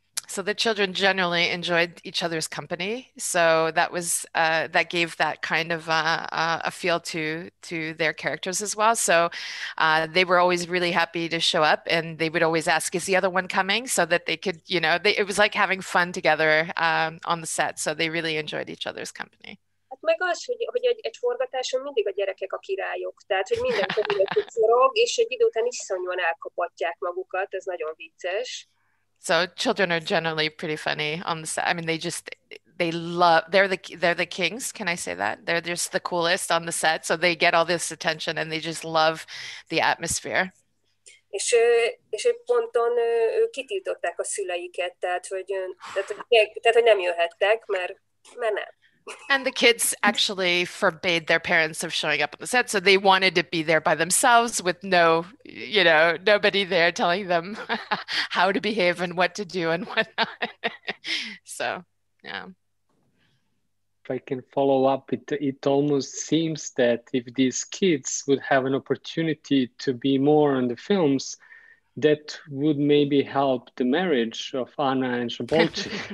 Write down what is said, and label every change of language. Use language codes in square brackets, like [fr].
[en] So the children generally enjoyed each other's company. So that was that gave that kind of a feel to their characters as well. So they were always really happy to show up, and they would always ask, "Is the other one coming?" So that they could, you know, it was like having fun together on the set. So they really enjoyed each other's company. [hu] Meg az, hogy egy forgatáson mindig a gyerekek a királyok. Tehát, hogy mindenki forog, és egy idő után iszonyúan elkapatják magukat, ez nagyon vicces. [en] So children are generally pretty funny on the set. I mean, they love, they're the kings. Can I say that? They're just the coolest on the set. So they get all this attention and they just love the atmosphere. [hu] És egy ponton kitiltották a szüleiket, tehát, hogy nem jöhettek, mert nem. [en] And the kids actually forbade their parents of showing up on the set, so they wanted to be there by themselves with no, you know, nobody there telling them how to behave and what to do and whatnot. So, yeah. If I can follow up, it almost seems that if these kids would have an opportunity to be more on the films, that would maybe help the marriage of Anna and Szabolcsi.